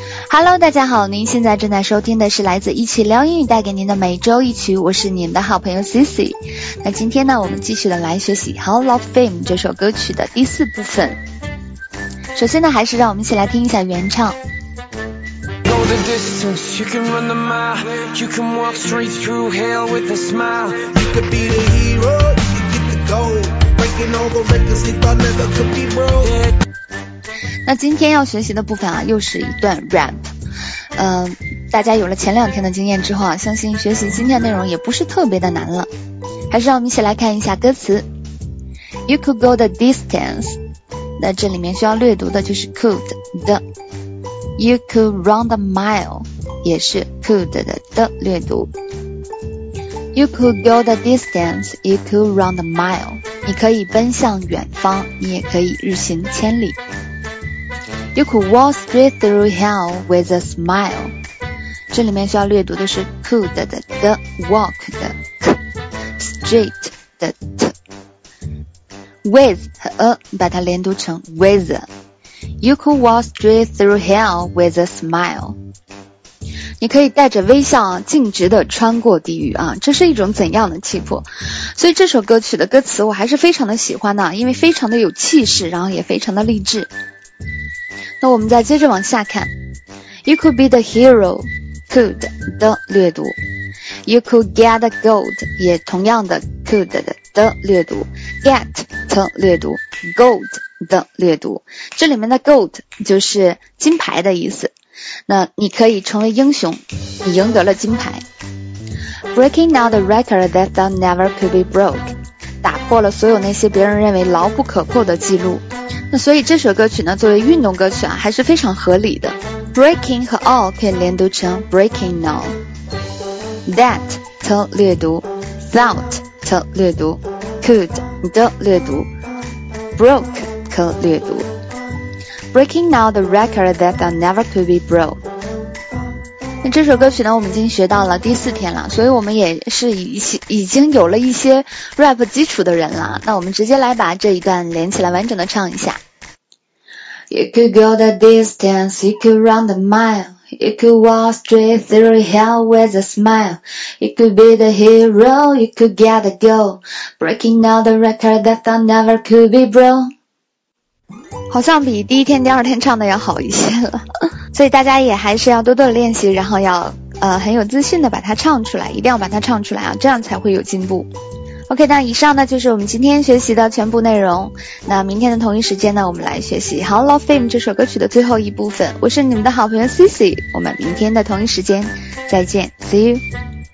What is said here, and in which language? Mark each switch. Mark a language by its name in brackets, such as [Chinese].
[Chinese] Hello， 大家好，您现在正在收听的是来自一起聊英语带给您的每周一曲，我是你们的好朋友 Cici。那今天呢，我们继续的来学习 Hall of Fame 这首歌曲的第四部分。首先呢，还是让我们一起来听一下原唱。 [English] The distance, you can run the mile, you can walk straight through hell with a smile. You could be the hero, you could get the gold, breaking all the records they thought never could be broke. [Chinese] 那今天要学习的部分啊，又是一段 rap。大家有了前两天的经验之后啊，相信学习今天的内容也不是特别的难了。还是让我们一起来看一下歌词。 [English] You could go the distance. [Chinese] 那这里面需要略读的就是 could the。 [English] You could run the mile [Chinese] 也是 [English] could [Chinese] 的略读。 [English] You could go the distance. You could run the mile. [Chinese] 你可以奔向远方，你也可以日行千里。 [English] You could walk straight through hell with a smile. [Chinese] 这里面需要略读的是 could 的 walk 的 straight 的 with 和 a， 把它连读成 with。 [English] You could walk straight through hell with a smile. [Chinese] 你可以带着微笑径直的穿过地狱啊，这是一种怎样的气魄？所以这首歌曲的歌词我还是非常的喜欢的，因为非常的有气势，然后也非常的励志。那我们再接着往下看。 [English] You could be the hero, could [Chinese] 的略读。 [English] You could get the gold, [Chinese] 也同样的 [English] could [Chinese] 的略读。 [English] Get [Chinese] 的略读。 [English] Gold. [Chinese] 的略读，这里面的 gold 就是金牌的意思。那你可以成为英雄，你赢得了金牌。 [English] Breaking out the record that thought never could be broke， [Chinese] 打破了所有那些别人认为牢不可破的记录。那所以这首歌曲呢，作为运动歌曲啊，还是非常合理的。 Breaking 和 all 可以连读成 breaking out， that 的略读， thought 的略读， could 的略读， broke。略读 [English] Breaking out the record that I never could be broke。 [Chinese] 那这首歌曲呢，我们已经学到了第四天了，所以我们也是已经有了一些 rap 基础的人了。那我们直接来把这一段连起来完整的唱一下。 [English] You could go the distance, you could run the mile, you could walk straight through hell with a smile, you could be the hero, you could get the gold, breaking out the record that I never could be broke。 [Chinese] 好像比第一天第二天唱的要好一些了，所以大家也还是要多多的练习，然后要很有自信的把它唱出来，一定要把它唱出来啊，这样才会有进步。 OK， 那以上呢就是我们今天学习的全部内容。那明天的同一时间呢，我们来学习 Hall of Fame 这首歌曲的最后一部分。我是你们的好朋友 Cici， 我们明天的同一时间再见， [English] See you。